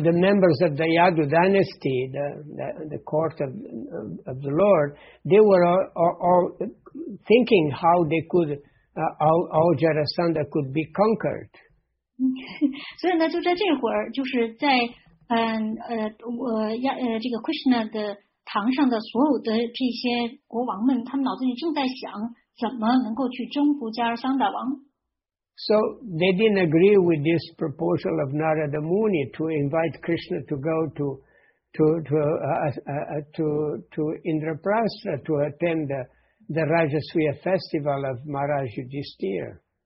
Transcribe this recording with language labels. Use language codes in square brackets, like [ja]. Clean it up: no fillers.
[en] the members of the Yadu dynasty, the court of the Lord, they were all thinking how they could. How Jarasandha could be conquered. [zh] 所以呢，就在这会儿，就是在这个 Krishna 的堂上的所有的这些国王们，他们脑子里正在想怎么能够去征服加尔桑达王。 [en] So they didn't agree with this proposal of Narada Muni to invite Krishna to go to Indraprastha to attend the Rajasuya festival of Maharaj Yudhisthira.